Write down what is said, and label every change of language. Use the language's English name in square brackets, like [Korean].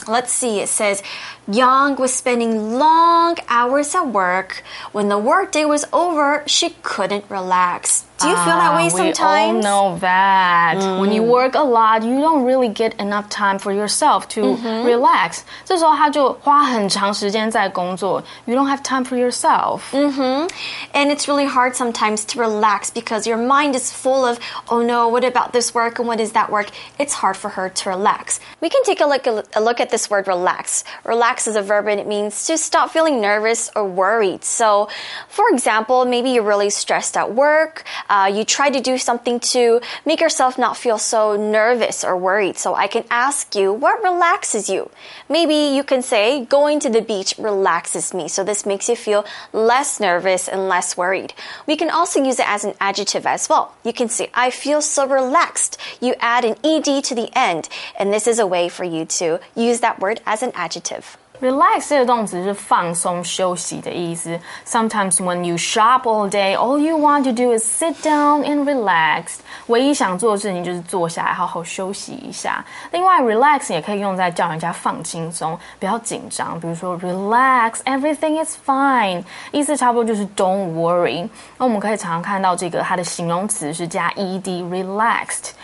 [English] Let's see. It says Young was spending long hours at work. When the work day was over, she couldn't relax. Do you feel that way sometimes? We all know that. When you work a lot, you don't really get enough time for yourself to relax. [Chinese] 这时候她就花很长时间在工作。 [English] You don't have time for yourself. And it's really hard sometimes to relax because your mind is full of, oh no, what about this work and what is that work? It's hard for her to relax. We can take a look at this word relax. Relax is a verb and it means to stop feeling nervous or worried. So, for example, maybe you're really stressed at work. You try to do something to make yourself not feel so nervous or worried. So I can ask you, what relaxes you? Maybe you can say, going to the beach relaxes me. So this makes you feel less nervous and less worried. We can also use it as an adjective as well. You can say, I feel so relaxed. You add an ed to the end. And this is a way for you to use that word as an adjective. [Chinese] Relax 这个动词是放松休息的意思。 [English] Sometimes when you shop all day, all you want to do is sit down and relax. [Chinese] 唯一想做的事情就是坐下来好好休息一下。另外 relax 也可以用在叫人家放轻松，不要紧张。比如说 [English] relax, everything is fine. [Chinese] 意思差不多就是 [English] don't worry. [Chinese] 那我们可以常常看到这个它的形容词是加 ed, relaxed.